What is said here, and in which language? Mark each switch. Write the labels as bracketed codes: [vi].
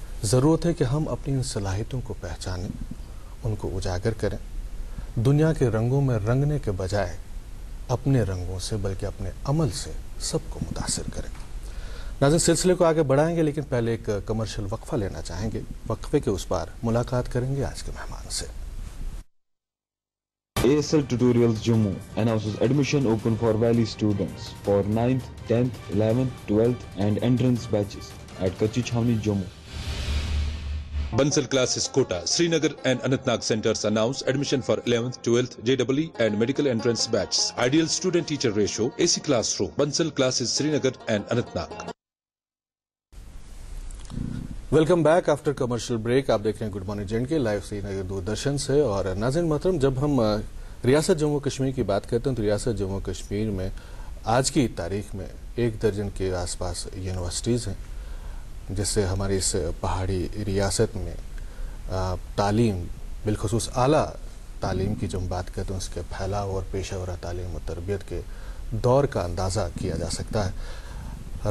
[ur] ضرورت ہے کہ ہم اپنی ان صلاحیتوں کو پہچانیں, ان کو اجاگر کریں, دنیا کے رنگوں میں رنگنے کے بجائے اپنے رنگوں سے بلکہ اپنے عمل سے سب کو متاثر کریں. ناظرین سلسلے کو آگے بڑھائیں گے, لیکن پہلے ایک کمرشل وقفہ لینا چاہیں گے. وقفے کے اس پار ملاقات کریں گے آج کے مہمان سے. [en] ASL Tutorials Jammu announces admission open for valley students for 9th, 10th, 11th, 12th and entrance batches at Kachi Chhavni Jammu. Bansal Classes Kota, Srinagar and Anantnag Centers announce admission for 11th, 12th, JEE and Medical Entrance Batches. Ideal Student Teacher Ratio, AC Classroom, Bansal Classes, Srinagar and Anantnag. Welcome back after commercial break. [ur] آپ دیکھ رہے ہیں good morning J and کے live سری نگر دوردرشن سے. اور ناظرین محترم, جب ہم ریاست جموں کشمیر کی بات کرتے ہیں تو ریاست جموں کشمیر میں آج کی تاریخ میں ایک درجن کے آس پاس یونیورسٹیز ہیں جس سے ہماری اس پہاڑی ریاست میں تعلیم, بالخصوص اعلیٰ تعلیم کی جو ہم بات کرتے ہیں, اس کے پھیلاؤ اور پیشہ ورانہ تعلیم و تربیت کے دور کا اندازہ کیا جا سکتا ہے.